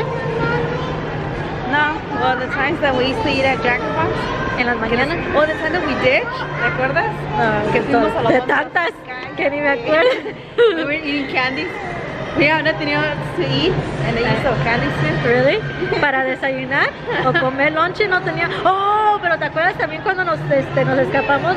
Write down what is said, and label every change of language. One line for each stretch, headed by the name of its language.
English: No, well, the times that we used to eat at Jack in the Box.
Spanish: En las mañanas.
English: Oh, the time that we ditched,
Spanish: ¿recuerdas? Que fuimos a la mamá. De tantas, que ni me acuerdo.
English: We were eating candies. We have nothing else to eat, and they used to have candies too. Really?
Spanish: ¿Para desayunar? ¿O comer lunch? No tenía. Oh, pero ¿te acuerdas también cuando nos escapamos?